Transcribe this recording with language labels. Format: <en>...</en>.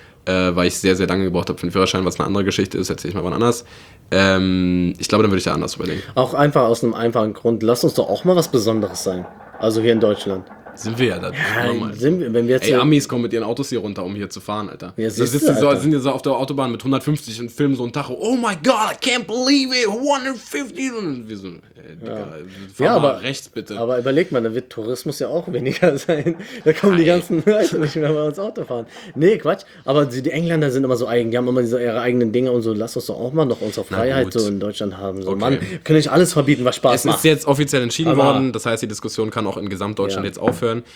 <de>weil ich sehr, sehr lange gebraucht habe für den Führerschein, was eine andere Geschichte ist, erzähle ich mal wann anders. Ich glaube, dann würde ich da anders überlegen. Auch einfach aus einem einfachen Grund, lass uns doch auch mal was Besonderes sein. Also hier in Deutschland. Sind wir ja da. Ja, sind wir, wenn wir jetzt ey, Amis kommen mit ihren Autos hier runter, um hier zu fahren, Alter. Ja, sie sitzen so, sind ja so auf der Autobahn mit 150 und filmen so ein Tacho. Oh my God,</de> <en>I can't believe it, 150.</en> <de>Und wir so, ja. Ja, aber rechts bitte. Aber überleg mal, da wird Tourismus ja auch weniger sein. Da kommen die ganzen Leute nicht mehr bei uns Auto fahren. Nee, Quatsch. Aber die Engländer sind immer so eigen. Die haben immer so ihre eigenen Dinge und so. Lass uns doch auch mal noch unsere Freiheit so in Deutschland haben. So, okay. Mann, kann ich alles verbieten, was Spaß es macht. Es ist jetzt offiziell entschieden aber, worden. Das heißt, die Diskussion kann auch in Gesamtdeutschland jetzt aufhören.</de>